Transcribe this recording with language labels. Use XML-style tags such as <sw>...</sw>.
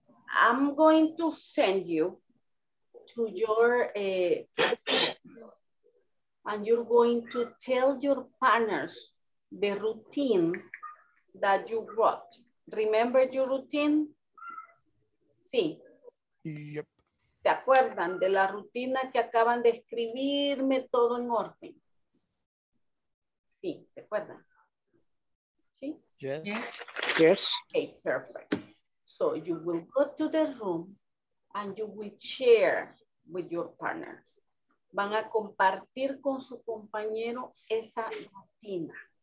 <en>I'm going to send you to your and you're going to tell your partners the routine that you wrote. Remember your routine? Sí. Yep.</en> <es>¿Se acuerdan de la rutina que acaban de escribirme todo en orden? Sí, ¿se acuerdan? Sí.</es> <en>Yes. Okay, perfect. So you will go to the room and you will share with your partner.</en> <es>Van a compartir con su compañero esa rutina.</es>